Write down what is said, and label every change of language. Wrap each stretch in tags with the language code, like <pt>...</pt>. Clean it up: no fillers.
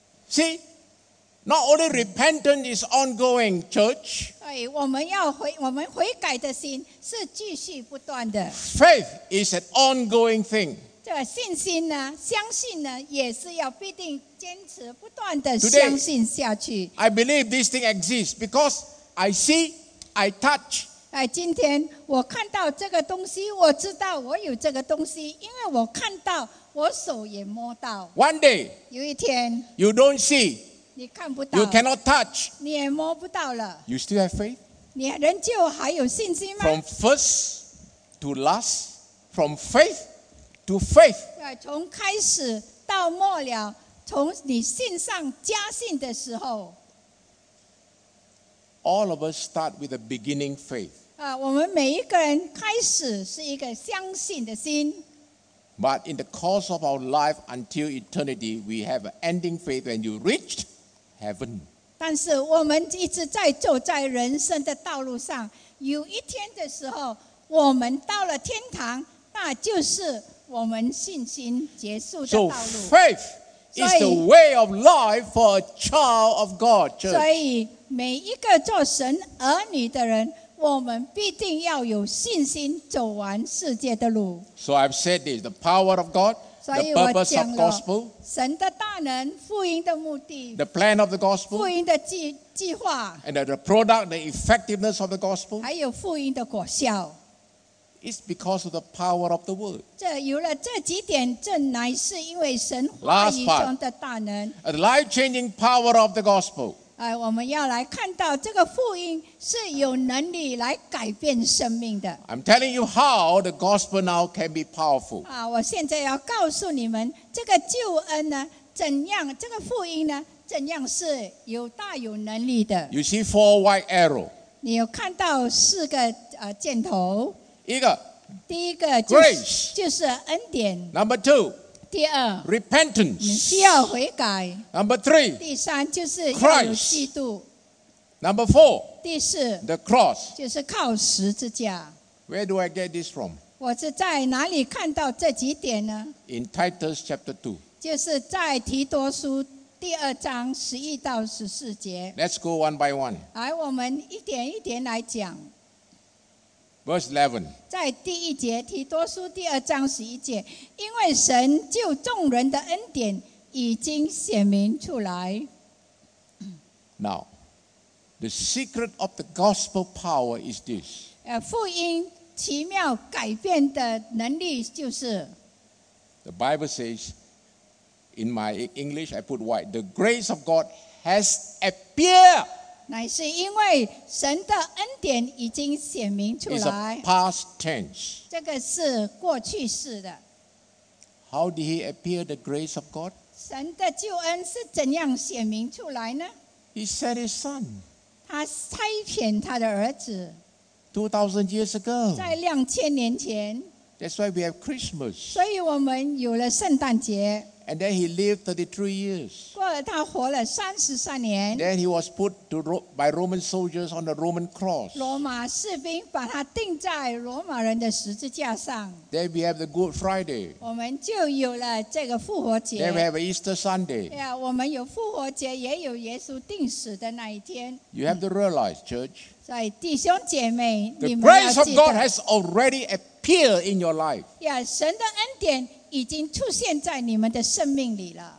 <en>See, not only repentance is ongoing, church.</en> <zh>对，我们要悔，我们悔改的心是继续不断的。</zh> <en>Faith is an ongoing thing.</en> <zh>这信心呢，相信呢，也是要必定坚持不断的相信下去。</zh> <en>I believe this thing exists because I see, I touch.</en> <zh>今天我看到这个东西，我知道我有这个东西，因为我看到，我手也摸到。</zh> <en>One day,</en> <zh>有一天</zh> <en>you don't see,</en> <zh>你看不到</zh> <en>you cannot touch,</en> <zh>你也摸不到了。</zh> <en>You still have faith?</en> <zh>你仍旧还有信心吗？</zh> <en>From first to last, from faith to faith.</en> <zh>从开始到末了，从你信上加信的时候。</zh> <en>All of us start with a beginning faith.</en> <zh>我们每一个人开始是一个相信的心。</zh> <en>But in the course of our life until eternity, we have an ending faith when you reach heaven.</en> <zh>但是我们一直在走在人生的道路上，有一天的时候，我们到了天堂，那就是我们信心结束的道路。</zh> <en>So faith is the way of life for a child of God, church.</en> <zh>所以每一个做神儿女的人，我们必定要有信心走完世界的路。</zh> <en>So I've said this: the power of God, the purpose of gospel,</en> <zh>神的大能，福音的目的</zh> <en>，the plan of the gospel,</en> <zh>福音的计划</zh> <en>，and the product, the effectiveness of the gospel,</en> <zh>还有福音的果效。</zh> <en>It's because of the power of the word.</en> <zh>这有了这几点，正乃是因为神话语中的大能。</zh> <en>A life-changing power of the gospel.</en> <zh>我们要来看到这个福音是有能力来改变生命的。</zh> <en>I'm telling you how the gospel now can be powerful.</en> <zh>我现在要告诉你们这个救恩呢，怎样这个福音呢，怎样是有大有能力的。</zh> <en>You see four white arrows.</en> <zh>你有看到四个箭头。一个，第一个、</zh> <en>Grace.</en> <zh>就是恩典。</zh> <en>Number two，</en> <zh>第二</zh> <en>，repentance，</en> <zh>你需要悔改。</zh> <en>Number three，</en> <zh>第三就是要有基督。</zh> <en>Number four，</en> <zh>第四</zh> <en>，the cross，</en> <zh>就是靠十字架。</zh> <en>Where do I get this from？</en> <zh>我是在哪里看到这几点呢</zh> <en>？In Titus chapter two，</en> <zh>就是在提多书第二章十一到十四节。</zh> <en>Let's go one by one。</en> <zh>来，我们一点一点来讲。</zh> <en>Verse 11.</en> <zh>在第一节提多书第二章十一节，因为神救众人的恩典已经显明出来。</zh> <en>Now, the secret of the gospel power is this.</en> <zh>福音奇妙改变的能力就是。</zh> <en>The Bible says, in my English, I put white. The grace of God has appeared.</en> <zh>乃是因为神的恩典已经显明出来。</zh> <en>Past tense.</en> <zh>这个是过去式的。</zh> <en>How did he appear the grace of God?</en> <zh>神的救恩是怎样显明出来呢</zh> <en>？He sent his son.</en> <zh>他差遣他的儿子。</zh> <en>2000 years ago.</en> <zh>在2000年前。</zh> <en>That's why we have Christmas.</en> <zh>所以我们有了圣诞节。</zh> <en>And then he lived 33 years.</en> <zh>过了他活了三十三年。</zh> <en>Then he was put to by Roman soldiers on the Roman cross.</en> <zh>罗马士兵把他钉在罗马人的十字架上。</zh> <en>Then we have the Good Friday.</en> <zh>我们就有了这个复活节。</zh> <en>Then we have Easter Sunday.</en> <zh>对啊，我们有复活节，也有耶稣钉死的那一天。</zh> <en>You have to realize, church.</en> <zh>所以弟兄姐妹，你们要记得。</zh> <en>The grace of God has already appeared in your life.</en> <zh>呀，神的恩典。已经出现在你们的生命里了。</zh>